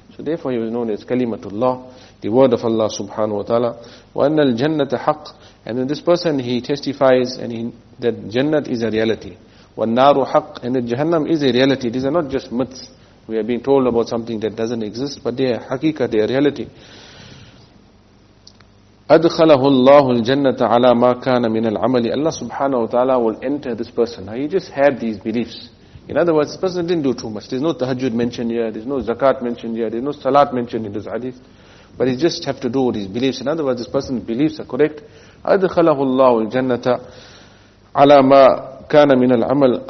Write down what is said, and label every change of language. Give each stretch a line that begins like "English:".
English: So therefore he was known as Kalimatullah, the word of Allah subhanahu wa ta'ala.
Arabic: Wa anna al-jannata haqq.
English: And then this person he testifies and that jannat is a reality.
Arabic: Wa an-naru haqq.
English: And that jahannam is a reality. These are not just myths. We are being told about something that doesn't exist, but they are haqiqah, they are reality.
Arabic: أدخله الله الجنة على ما كان من العمل.
English: Allah subhanahu wa ta'ala will enter this person. Now he just had these beliefs. In other words, this person didn't do too much. There's no tahajjud mentioned here, there's no zakat mentioned here, there's no salat mentioned in this hadith. But he just have to do what his beliefs. In other words, this person's beliefs are correct.
Arabic: أَدْخَلَهُ اللَّهُ الْجَنَّةَ عَلَى مَا كَانَ مِنَ الْعَمَلِ.